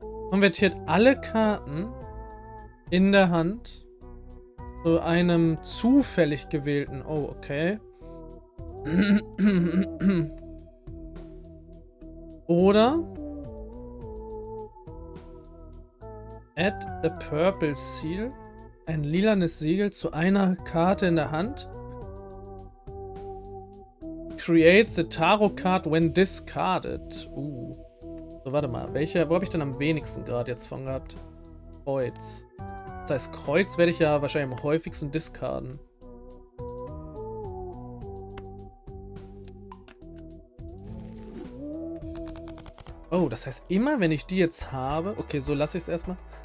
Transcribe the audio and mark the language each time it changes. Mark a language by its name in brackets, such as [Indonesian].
[German] Konvertiert alle Karten in der Hand zu einem zufällig gewählten. Oh, okay. Oder [English] Add a purple seal. [German] Ein lilanes Siegel zu einer Karte in der Hand. [English] Create the tarot card when discarded. [German] So, warte mal. Welche, wo habe ich denn am wenigsten gerade jetzt von gehabt? Kreuz. Das heißt, Kreuz werde ich ja wahrscheinlich am häufigsten discarden. Oh, das heißt, immer wenn ich die jetzt habe... Okay, so lasse ich es erstmal.